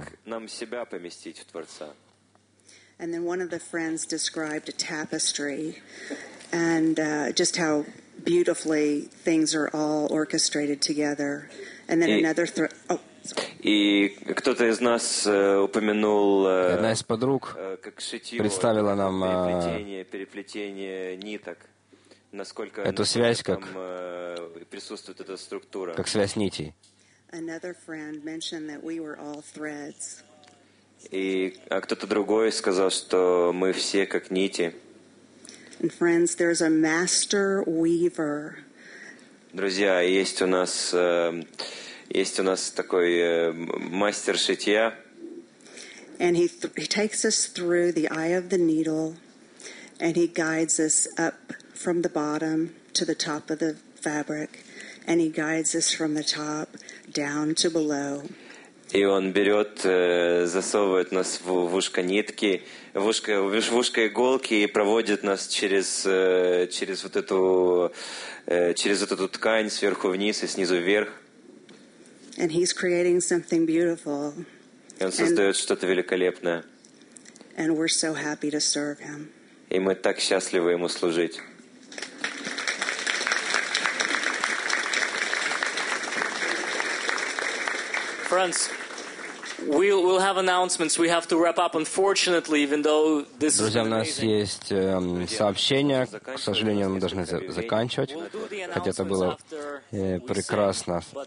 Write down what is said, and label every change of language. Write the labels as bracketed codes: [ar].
[ru] Как нам себя поместить в Творца? [en] And then one of the friends described a tapestry and just how beautifully things are all orchestrated together. And then another [ru] И кто-то из нас упомянул, одна из подруг представила нам переплетение ниток, насколько эту связь, как присутствует эта структура, как связь нитей. [en] Another friend mentioned that we were all threads. [ru] И кто-то другой сказал, что мы все как нити. [en] And friends, there's a master weaver. [ru] Друзья, есть у нас такой мастер шитья. [en] And he takes us through the eye of the needle, and he guides us up from the bottom to the top of the fabric, and he guides us from the top down to below. [ru] И он берет, засовывает нас в ушко нитки, в ушко иголки и проводит нас через эту ткань сверху вниз и снизу вверх. [en] And he's creating something beautiful. [ru] И он создает что-то великолепное. [en] And we're so happy to serve him. [ru] И мы так счастливы ему служить. [en] Friends, we'll have announcements. We have to wrap up, unfortunately, even though this is. [ru] Друзья, у нас есть сообщения. К сожалению, мы должны заканчивать, хотя это было прекрасно.